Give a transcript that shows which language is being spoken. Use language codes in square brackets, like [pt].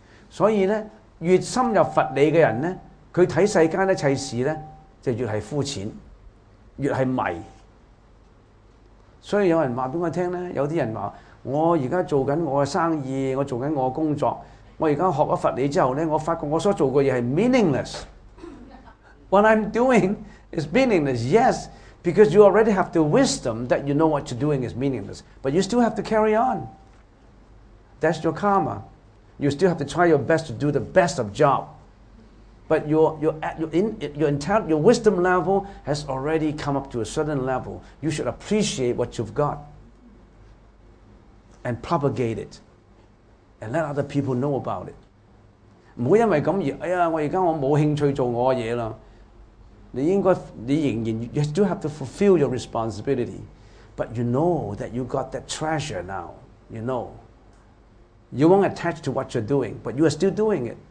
[zh] 所以呢，越深入佛理的人呢，他看世間一切事呢就越是膚淺，越是迷。所以有人告訴我聽呢，有些人說我現在做我的生意，我做我的工作，我現在學了佛理之後呢，我發覺我所做的事是 meaningless。 [en] What I'm doing is meaningless. Yes, because you already have the wisdom that you know what you're doing is meaningless, but you still have to carry on. That's your karma. You still have to try your best to do the best of job. But your wisdom level has already come up to a certain level. You should appreciate what you've got and propagate it and let other people know about it. [zh] 不要因為這樣而哎呀，我現在我沒有興趣做我的事了。 [en] 你still have to fulfill your responsibility. But you know that you got that treasure now. You know. You won't attach to what you're doing, but you are still doing it.